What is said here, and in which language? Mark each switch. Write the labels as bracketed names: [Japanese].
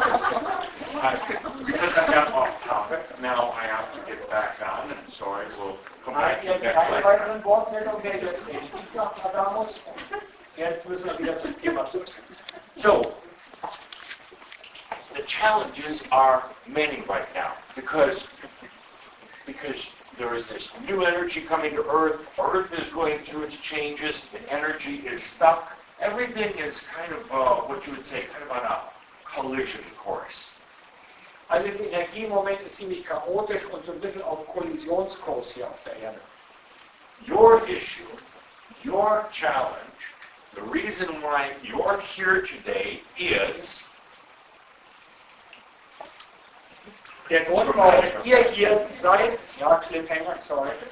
[English] because I got off topic, now I have to get back on, and so I will come back to next lecture. [German] Ich habe keine Worte mehr, okay, jetzt ich sage Adamus, jetzt müssen wir wieder zum Thema zurück. [English] So, the challenges are many right now, because there is this new energy coming to Earth, Earth is going through its changes, the energy is stuck, everything is kind of, what you would say, kind of on a collision course. [German] Also die Energie im Moment ist ziemlich chaotisch und so ein bisschen auf Kollisionskurs hier auf der Erde. [English] Your issue, your challenge, the reason why you're here today is... [German] Der Grund, warum ihr hier seid, ja, Cliffhanger, sorry.